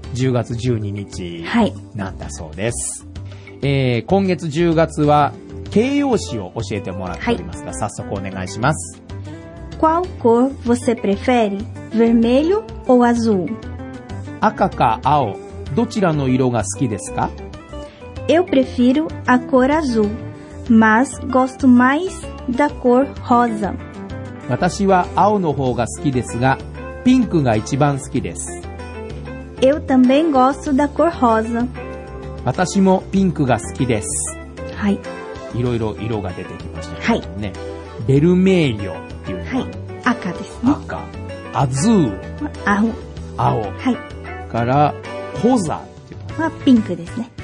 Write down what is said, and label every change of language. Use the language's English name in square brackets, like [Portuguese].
[Japanese] 10月12日なんだそうです、はい。今月10月は形容詞を教えてもらっておりますが、はい、早速お願いします。 [Portuguese] Qual cor você prefere? Vermelho ou azul? [Japanese] 赤か青、どちらの色が好きですか？ [Portuguese] Eu prefiro a cor azul, mas gosto mais da cor rosa. [Japanese] 私は青の方が好きですが、ピンクが一番好きです。 [Portuguese] Eu também gosto da cor rosa. [Japanese] 私もピンクが好きです。はい、いろいろ色が出てきましたけどね、はい。ベルメイリョっていうのは、はい、赤ですね。赤、アズー、青、青、はい、からホザっていうのはピンクですね。